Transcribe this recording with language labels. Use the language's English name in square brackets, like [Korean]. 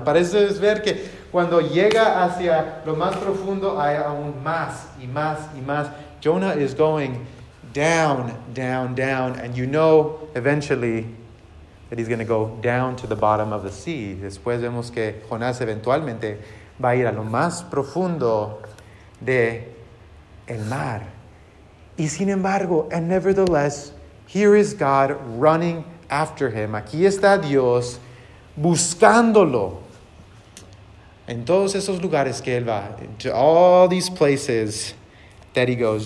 [Spanish] Parece ver que cuando llega hacia lo más profundo hay aún más y más y más. [English] Jonah is going down, down, down, and you know eventually that he's going to go down to the bottom of the sea. [Spanish] Después vemos que Jonás eventualmente va a ir a lo más profundo de el mar. Y sin embargo, [English] and nevertheless, here is God running after him. [Spanish] Aquí está Dios buscándolo. En todos esos lugares que él va, [English] to all these places that he goes.